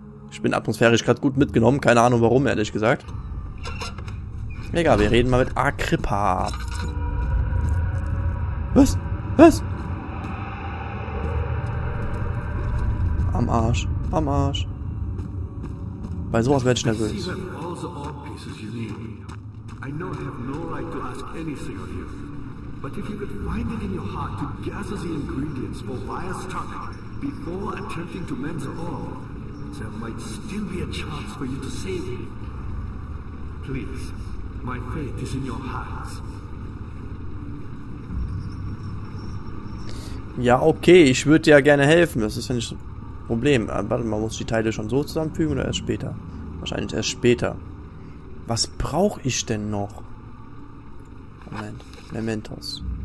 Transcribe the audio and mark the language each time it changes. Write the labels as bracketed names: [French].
[German] Ich bin atmosphärisch gerade gut mitgenommen, keine Ahnung warum, ehrlich gesagt. Egal, wir reden mal mit Agrippa. Was? Was? Am Arsch, am Arsch. Bei sowas werde ich nervös. [English] I know I have no right to ask anything of you, but if you could find it in your heart to gather the ingredients for Vyas Tarka before attempting to mend the ore, there might still be a chance for you to save him. Please, my fate is in your hands. [German] Ja, okay, ich würde dir ja gerne helfen, das ist ja nicht so ein Problem. Warte, man muss die Teile schon so zusammenfügen oder erst später? Wahrscheinlich erst später. Was brauche ich denn noch? Moment. Mementos.